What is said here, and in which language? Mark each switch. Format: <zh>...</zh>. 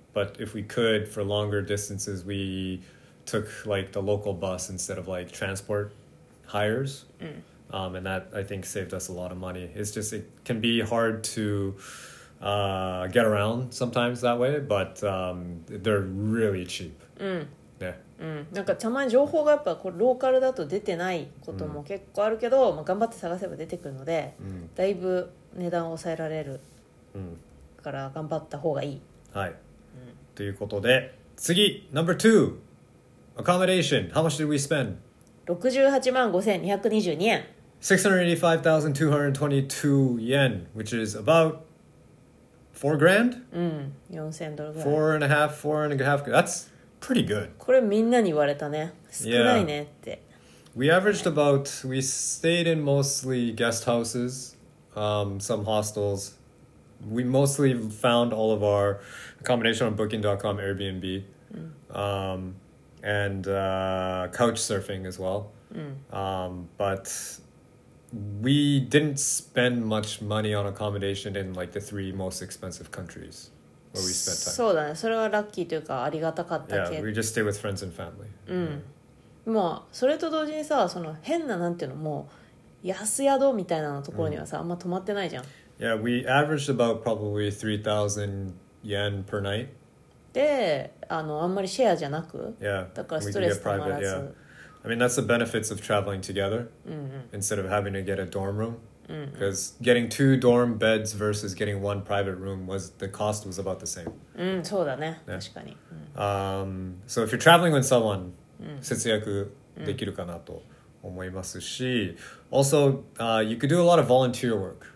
<en>But if we could, for longer distances, we took like the local bus instead of like transport hires. And that, I think, saved us a lot of money. It's just, it can be hard to get around sometimes that way, but they're really cheap. Yeah.</en> <ja>うん、なんかたまに情報がやっぱこうローカルだと出てないことも結構あるけど、うん、まあ、頑張って探せば出てくるので、うん、だいぶ値段を抑えられる、うん、から頑張った方がいい、はい、うん、ということで次</ja> <en>Number 2 Accommodation How much did we spend?</en> <ja>68万5222円</ja> <en>685,222 yen Which is about 4 grand?</en> <ja>うん、4000ドルぐらい</ja> <en>4.5 That'sPretty good.</en> <ja>これみんなに言われたね。少ないねって。</ja> <en>We averaged about, we stayed in mostly guest houses, some hostels. We mostly found all of our accommodation on booking.com, Airbnb, and couch surfing as well. But we didn't spend much money on accommodation in like the three most expensive countries.</en> <ja>そうだね、それはラッキーというかありがたかったけど。</ja> <en>Yeah, we just stay with friends and family. うん。</en> <ja>まあそれと同時にさ、その変ななんていうのもう安宿みたいなところにはさ、あんま泊まってないじゃん。</ja> <en>Yeah, we averaged about probably 3,000 yen per night.</en> <ja>で、あの、あんまりシェアじゃなく。</ja> <en>Yeah.</en> <ja>だからストレスたまらず。</ja> <en>We can get private, yeah. I mean, that's the benefits of traveling together. Instead of having to get a dorm room. Because getting two dorm beds versus getting one private room was the cost was about the same.</en> <ja>そうだね。確かに。</ja> <en>So if you're traveling with someone,</en> <ja>節約できるかなと思いますし、</ja> <en>also you could do a lot of volunteer work.</en>